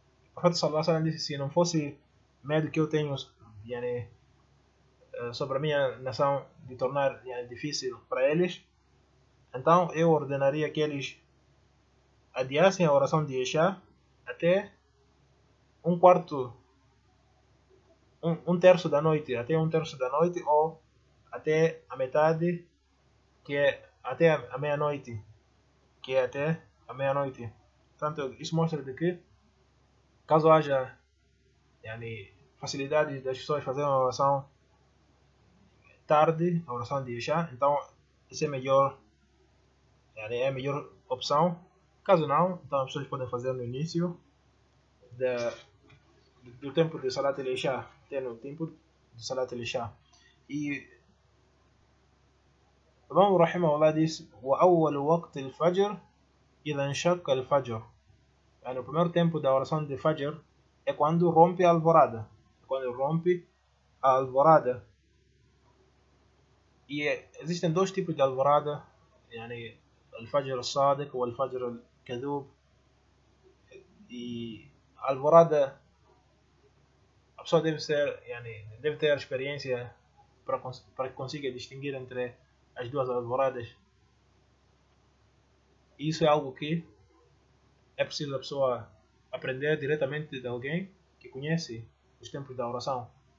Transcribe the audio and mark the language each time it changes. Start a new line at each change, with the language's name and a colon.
Portuguese: O profeta sallallahu alaihi wasallam disse: "Se não fosse medo que eu tenho, yani, sobre a minha nação de tornar yani, difícil para eles, então eu ordenaria que eles adiassem a oração de Isha até um terço da noite, até um terço da noite ou até a metade, que é até a meia-noite, que é até a meia-noite." Portanto, isso mostra de que, caso haja yani, facilidade das pessoas fazerem uma oração
Spanish: tarde, la oración de Isha. Entonces, ese mejor, es la mejor opción. Caso no, entonces, ustedes pueden hacer no inicio del tiempo de Salat el Isha. Tiene el tiempo de Salat el Isha. Y vamos, Rahimahullah, dice:
Arabic: وأول وقت الفجر إذا انشق الفجر.
Spanish: El primer tiempo de oración de Fajr es cuando rompe alborada. Cuando rompe alborada. Y existen dos tipos de alborada: el Fajr al-Sadiq o el Fajr al-Kadhub. Y alborada, eso debe tener experiencia para conseguir distinguir entre las dos alboradas. Y eso es algo
Portuguese: que é preciso a pessoa aprender diretamente de alguém que conhece os tempos da oração.